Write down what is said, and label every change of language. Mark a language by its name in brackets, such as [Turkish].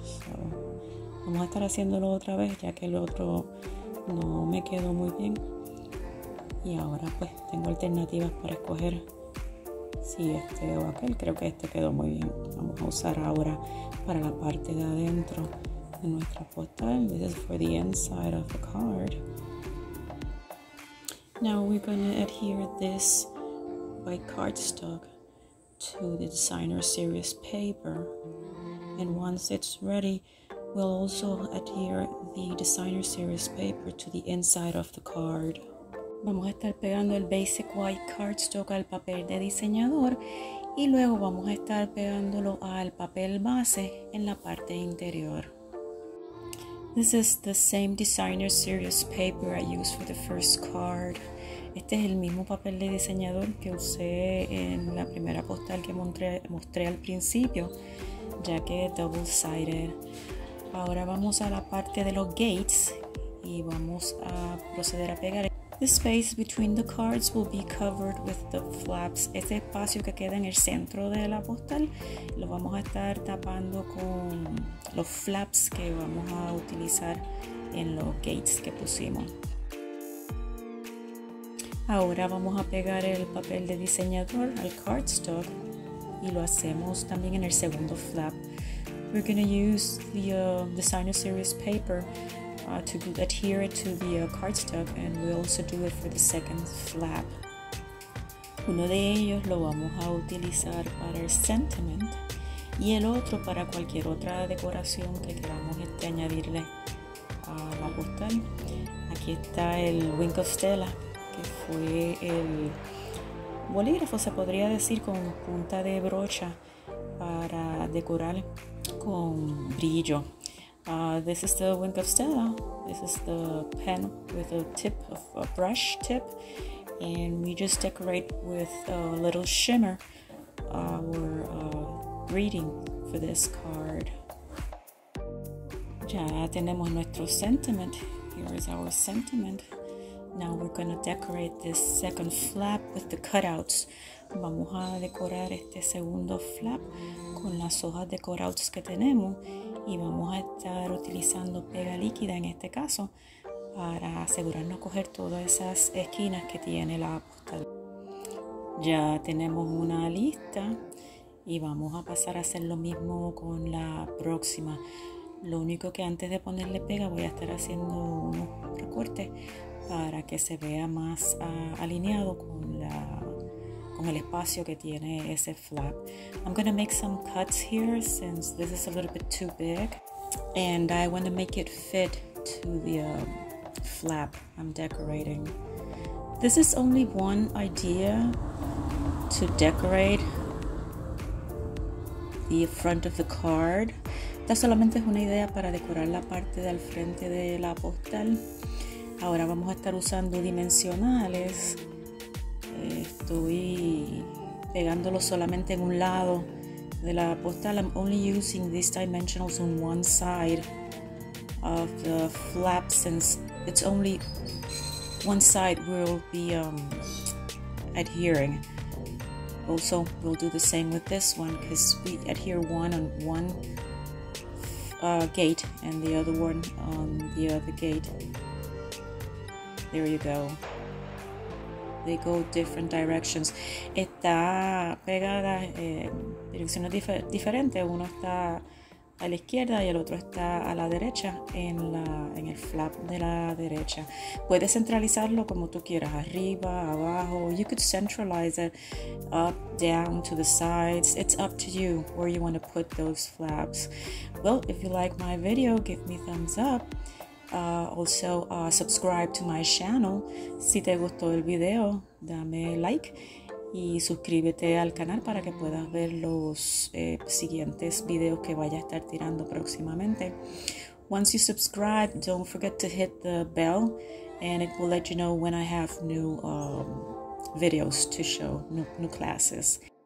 [Spanish] So, vamos a estar haciéndolo otra vez ya que el otro no me quedó muy bien. Y ahora pues tengo alternativas para escoger si este o aquel. Creo que este quedó muy bien. Vamos a usar ahora para la parte de adentro de nuestra postal. [English] This is for the inside of the card. Now we're gonna adhere this white cardstock to the designer series paper, and once it's ready, we'll also adhere the designer series paper to the inside of the card. [Spanish] Vamos a estar pegando el basic white cardstock al papel de diseñador y luego vamos a estar pegándolo al papel base en la parte interior. [English] This is the same designer series paper I used for the first card. [Spanish] Este es el mismo papel de diseñador que usé en la primera postal que mostré al principio, ya que es [English] double-sided. [Spanish] Ahora vamos a la parte de los gates y vamos a proceder a pegar. [English] The space between the cards will be covered with the flaps. [Spanish] Ese espacio que queda en el centro de la postal lo vamos a estar tapando con los flaps que vamos a utilizar en los gates que pusimos. Ahora vamos a pegar el papel de diseñador al cardstock y lo hacemos también en el segundo flap. [English] We're going to use the designer series paper to adhere it to the cardstock, and we also do it for the second flap. [Spanish] Uno de ellos lo vamos a utilizar para el sentiment y el otro para cualquier otra decoración que queramos añadirle a la postal. Aquí está el Wink of Stella, que fue el bolígrafo, se podría decir, con punta de brocha para decorar con brillo. [English] This is the Wink of Stella. This is the pen with a tip of a brush tip, and we just decorate with a little shimmer our greeting for this card. [Spanish] Ya tenemos nuestro sentiment. [English] Here is our sentiment. Now we're going to decorate this second flap with the cutouts. [Spanish] Vamos a decorar este segundo flap con las hojas de cutouts que tenemos y vamos a estar utilizando pega líquida en este caso para asegurarnos coger todas esas esquinas que tiene la postal. Ya tenemos una lista y vamos a pasar a hacer lo mismo con la próxima. Lo único que antes de ponerle pega voy a estar haciendo unos recortes para que se vea más alineado con la con el espacio que tiene ese flap. [English] I'm going to make some cuts here since this is a little bit too big, and I want to make it fit to the flap I'm decorating. This is only one idea to decorate the front of the card. [Spanish] Esta solamente es una idea para decorar la parte del frente de la postal. Ahora vamos a estar usando dimensionales. Estoy pegándolo solamente en un lado de la postal. [English] I'm only using these dimensionals on one side of the flap since it's only one side we'll be adhering. Also, we'll do the same with this one because we adhere one on one gate and the other one on the other gate. There you go. They go different directions. [Spanish] Está pegada en direcciones diferentes. Uno está a la izquierda y el otro está a la derecha en la en el flap de la derecha. Puedes centralizarlo como tú quieras, arriba, abajo. [English] You could centralize it up, down, to the sides. It's up to you where you want to put those flaps. Well, if you like my video, give me thumbs up. Also, subscribe to my channel. [Spanish] Si te gustó el video, dame like y suscríbete al canal para que puedas ver los siguientes videos que vaya a estar tirando próximamente. [English] Once you subscribe, don't forget to hit the bell and it will let you know when I have new videos to show, new classes.